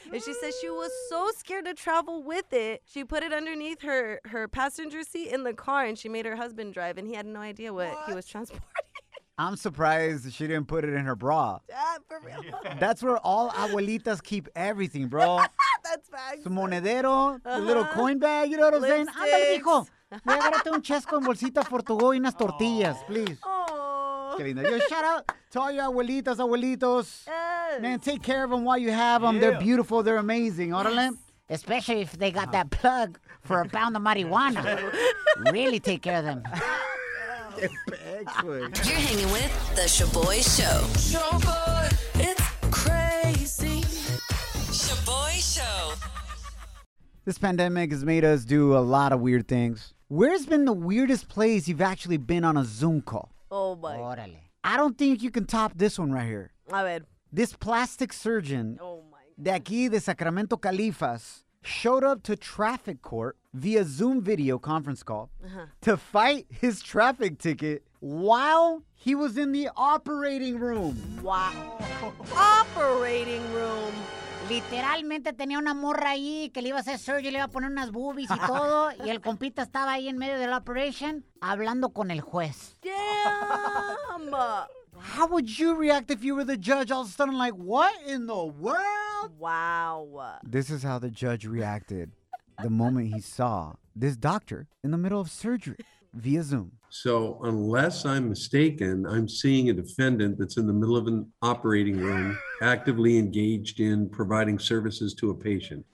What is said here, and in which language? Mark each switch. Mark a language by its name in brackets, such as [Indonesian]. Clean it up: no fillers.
[English] And she says she was so scared to travel with it. She put it underneath her passenger seat in the car, and she made her husband drive, and he had no idea what he was transporting. I'm surprised she didn't put it in her bra. Yeah, for real. Yeah. That's where all abuelitas keep everything, bro. That's facts. Su monedero, uh-huh. The little coin bag, you know what I'm saying? [Spanish] Andale, mijo. Regárate un chesco en bolsita por tu go y unas tortillas, please. Oh. [English] Qué lindo. Yo, shout out to all your abuelitas, abuelitos. Yes. Man, take care of them while you have them. Yeah. They're beautiful. They're amazing. Yes. Órale. Especially if they got that plug for a pound of marijuana. Really take care of them. You're hanging with the Shaboy Show. Shaboy, it's crazy. Shaboy Show. This pandemic has made us do a lot of weird things. Where's been the weirdest place you've actually been on a Zoom call? Oh, my. [Spanish] Orale. [English] I don't think you can top this one right here. [Spanish] A ver. [English] This plastic surgeon [Spanish] de [English] aquí de Sacramento, Califas, showed up to traffic court via Zoom video conference call to fight his traffic ticket while he was in the operating room. Wow. Operating room. [Spanish] Literalmente tenía una morra ahí que le iba a hacer surgery, le iba a poner unas boobies y todo. Y el compita estaba ahí en medio de la operation hablando con el juez. [English] Damn. How would you react if you were the judge all of a sudden, like, what in the world? Wow. This is how the judge reacted the moment he saw this doctor in the middle of surgery via Zoom. So unless I'm mistaken, I'm seeing a defendant that's in the middle of an operating room actively engaged in providing services to a patient.